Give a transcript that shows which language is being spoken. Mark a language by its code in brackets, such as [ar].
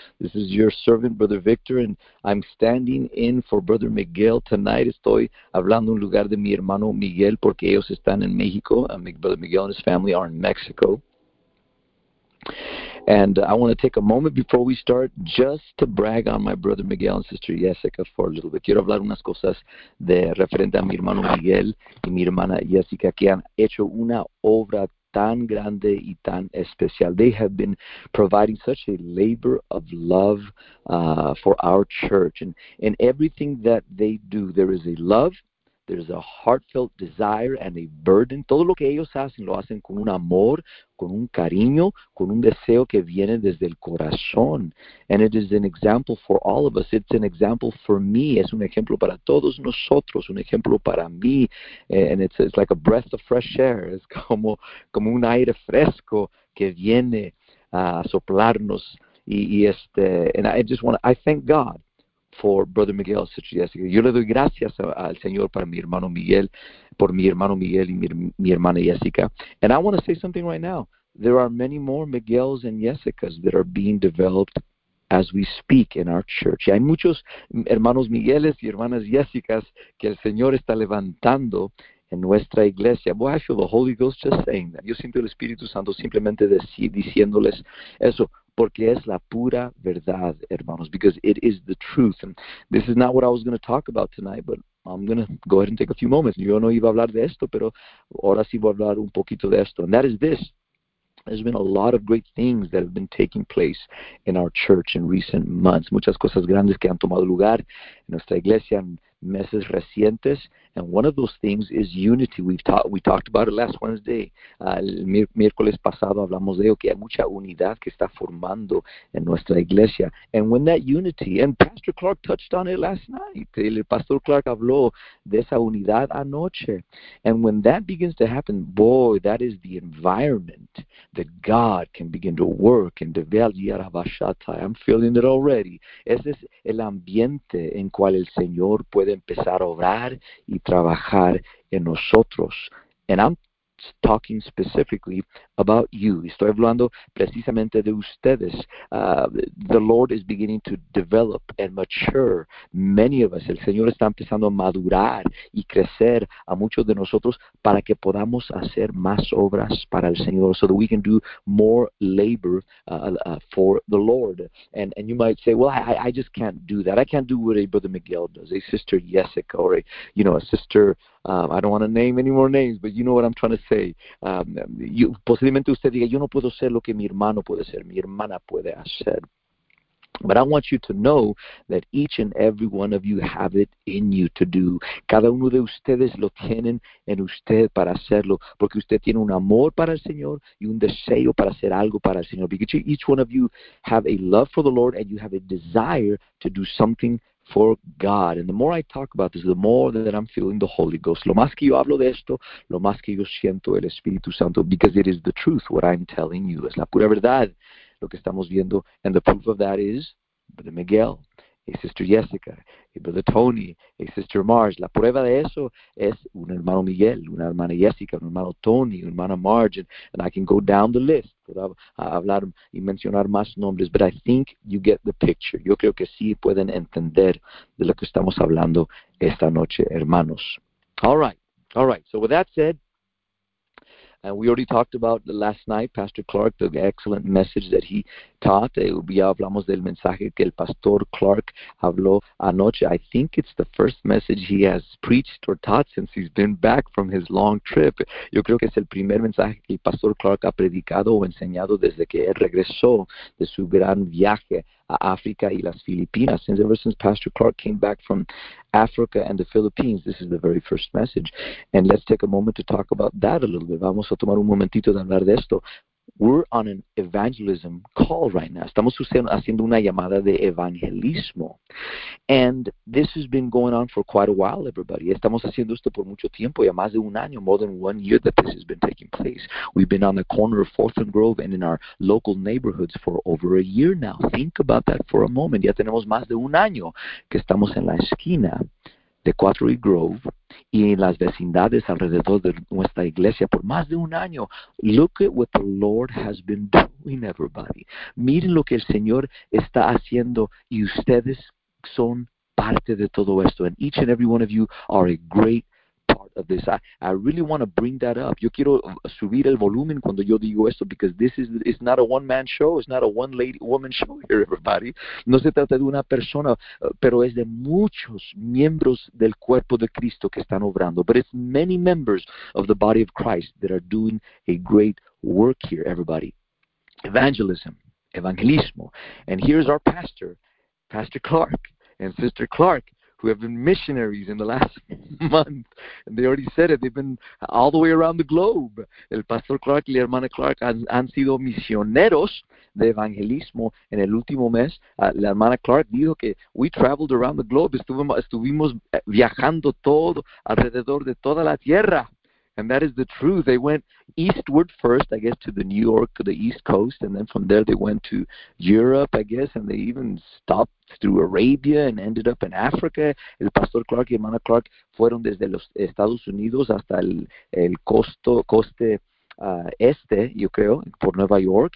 [en] This is your servant, Brother Victor, and I'm standing in for Brother Miguel tonight. [es] Estoy hablando en lugar de mi hermano Miguel porque ellos están en México. [en] Brother Miguel and his family are in Mexico. And I want to take a moment before we start just to brag on my brother Miguel and sister Jessica for a little bit. [es] Quiero hablar unas cosas de referente a mi hermano Miguel y mi hermana Jessica, que han hecho una obra tan grande y tan especial. [en] They have been providing such a labor of love for our church. And in everything that they do, there is a love. There's a heartfelt desire and a burden. [es] Todo lo que ellos hacen, lo hacen con un amor, con un cariño, con un deseo que viene desde el corazón. [en] And it is an example for all of us. It's an example for me. [es] Es un ejemplo para todos nosotros. Un ejemplo para mí. [en] And it's like a breath of fresh air. [es] Es como un aire fresco que viene a soplarnos. [en] I thank God for Brother Miguel, sister Jessica. [es] Yo le doy gracias al Señor para mi hermano Miguel, por mi hermano Miguel y mi hermana Jessica. [en] And I want to say something right now. There are many more Miguels and Jessicas that are being developed as we speak in our church. [es] Y hay muchos hermanos Migueles y hermanas Jessicas que el Señor está levantando en nuestra iglesia. [en] Boy, I feel the Holy Ghost just saying that. [es] Yo siento el Espíritu Santo simplemente diciéndoles eso. Porque es la pura verdad, hermanos, [en] because it is the truth. And this is not what I was going to talk about tonight, but I'm going to go ahead and take a few moments. [es] Yo no iba a hablar de esto, pero ahora sí voy a hablar un poquito de esto. [en] And that is this. There's been a lot of great things that have been taking place in our church in recent months. [es] Muchas cosas grandes que han tomado lugar en nuestra iglesia en meses recientes. [en] And one of those things is unity. We talked about it last Wednesday. [es] El miércoles pasado hablamos de que hay mucha unidad que está formando en nuestra iglesia. [en] And when that unity, and Pastor Clark touched on it last night. [es] El Pastor Clark habló de esa unidad anoche. [en] And when that begins to happen, boy, that is the environment that God can begin to work and develop. I'm feeling it already. [es] Ese es el ambiente en cual el Señor puede empezar a obrar y trabajar en nosotros. [en] And I'm talking specifically about you. [es] Estoy hablando precisamente de ustedes. [en] The Lord is beginning to develop and mature many of us. [es] El Señor está empezando a madurar y crecer a muchos de nosotros para que podamos hacer más obras para el Señor, [en] so that we can do more labor for the Lord. And you might say, well, I just can't do that. I can't do what a Brother Miguel does, a Sister Jessica, or a Sister, I don't want to name any more names, but you know what I'm trying to say. [es] Posiblemente usted diga, yo no puedo ser lo que mi hermano puede ser, mi hermana puede hacer. [en] But I want you to know that each and every one of you have it in you to do. [es] Cada uno de ustedes lo tienen en usted para hacerlo, porque usted tiene un amor para el Señor y un deseo para hacer algo para el Señor. [en] Because each one of you have a love for the Lord and you have a desire to do something for God. And the more I talk about this, the more that I'm feeling the Holy Ghost. [es] Lo más que yo hablo de esto, lo más que yo siento el Espíritu Santo, [en] because it is the truth, what I'm telling you. [es] Es la pura verdad, lo que estamos viendo. [en] And the proof of that is Brother Miguel, a Sister Jessica, a Brother Tony, a Sister Marge. [es] La prueba de eso es un hermano Miguel, una hermana Jessica, un hermano Tony, una hermana Marge. [en] And I can go down the list, [es] hablar y mencionar más nombres, [en] but I think you get the picture. [es] Yo creo que sí pueden entender de lo que estamos hablando esta noche, hermanos. [en] All right. So with that said, and we already talked about the last night, Pastor Clark, the excellent message that he taught. [es] Ya hablamos del mensaje que el Pastor Clark habló anoche. [en] I think it's the first message he has preached or taught since he's been back from his long trip. [es] Yo creo que es el primer mensaje que el Pastor Clark ha predicado o enseñado desde que él regresó de su gran viaje a África y las Filipinas. [en] Ever since Pastor Clark came back from Africa and the Philippines, this is the very first message. And let's take a moment to talk about that a little bit. [es] Vamos a tomar un momentito de hablar de esto. [en] We're on an evangelism call right now. [es] Estamos haciendo una llamada de evangelismo. [en] And this has been going on for quite a while, everybody. [es] Estamos haciendo esto por mucho tiempo, ya más de un año, [en] more than 1 year that this has been taking place. We've been on the corner of 4th and Grove and in our local neighborhoods for over a year now. Think about that for a moment. [es] Ya tenemos más de un año que estamos en la esquina de Quarry Grove y en las vecindades alrededor de nuestra iglesia por más de un año. [en] Look at what the Lord has been doing, everybody. [es] Miren lo que el Señor está haciendo y ustedes son parte de todo esto. [en] And each and every one of you are a great part of this. I really want to bring that up. [es] Yo quiero subir el volumen cuando yo digo esto, [en] because this is, it's not a one-man show. It's not a one-woman show here, everybody. [es] No se trata de una persona, pero es de muchos miembros del cuerpo de Cristo que están obrando. [en] But it's many members of the body of Christ that are doing a great work here, everybody. Evangelism, evangelismo. And here's our pastor, Pastor Clark and Sister Clark, who have been missionaries in the last month. And they already said it. They've been all the way around the globe. [es] El Pastor Clark y la Hermana Clark han sido misioneros de evangelismo en el último mes. La Hermana Clark dijo que [en] we traveled around the globe. [es] Estuvimos viajando todo alrededor de toda la tierra. [en] And that is the truth. They went eastward first, I guess, to the New York, the East Coast. And then from there, they went to Europe, I guess. And they even stopped through Arabia and ended up in Africa. [es] El Pastor Clark y Hermana Clark fueron desde los Estados Unidos hasta el coste este, yo creo, por Nueva York.